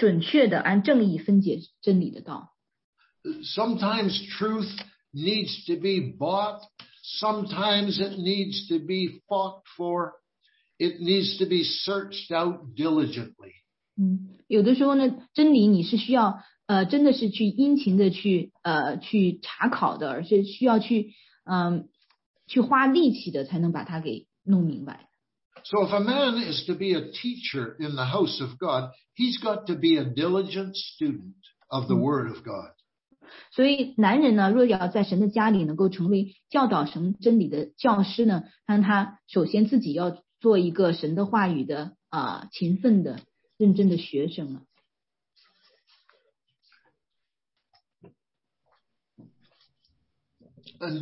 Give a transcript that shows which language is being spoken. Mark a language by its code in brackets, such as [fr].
[zh] 所以你要特别的要殷勤的要竭力的去研究神的话，这样你才能够做到真正的准确的按正义分解真理的道。 [en] Sometimes truth needs to be bought. Sometimes it needs to be fought for. It needs to be searched out diligently. [zh] 有的时候呢，真理你是需要真的是去殷勤的去查考的，而且需要去花力气的才能把它给弄明白。 [en] So if a man is to be a teacher in the house of God, he's got to be a diligent student of the Word of God. [zh] 所以男人呢，若要在神的家里能够成为教导神真理的教师呢，那他首先自己要 做一个神的话语的勤奋的认真的学生啊。 [en] And